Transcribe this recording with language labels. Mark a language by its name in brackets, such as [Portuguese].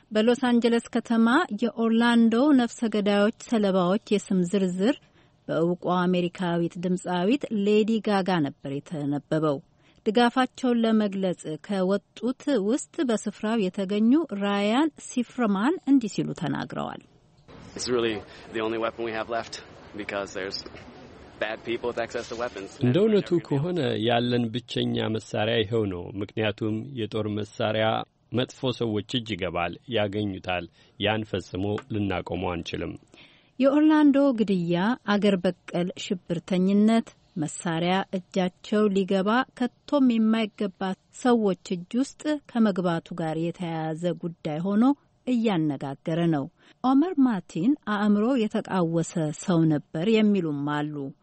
[Amharic] በሎስ አንጀለስ ከተማ የኦርላንዶ ነፍሰ ገዳዮች ሰለባዎች የስም ዝርዝር በእውቋ አሜሪካዊት ድምጻዊት ሌዲ ጋጋ ነበር የተነበበው። ድጋፋቸውን ለመግለጽ ከወጡት ውስጥ በስፍራው የተገኙ ራያን ሲፍርማን እንዲህ ሲሉ ተናግረዋል። [English] It's really the only weapon we have left because there's bad people with access to weapons. [Amharic] እንደውነቱ ከሆነ ያለን ብቸኛ መሳሪያ ይሄው ነው። ምክንያቱም የጦር መሳሪያ መጥፎ ሰዎች እጅ ይገባል፣ ያገኙታል። ያን ፈጽሞ ልናቆመው አንችልም። የኦርላንዶ ግድያ፣ አገር በቀል ሽብርተኝነት፣ መሳሪያ እጃቸው ሊገባ ከቶም የማይገባ ሰዎች እጅ ውስጥ ከመግባቱ ጋር የተያያዘ ጉዳይ ሆኖ እያነጋገረ ነው። ኦመር ማቲን አእምሮ የተቃወሰ ሰው ነበር የሚሉም አሉ።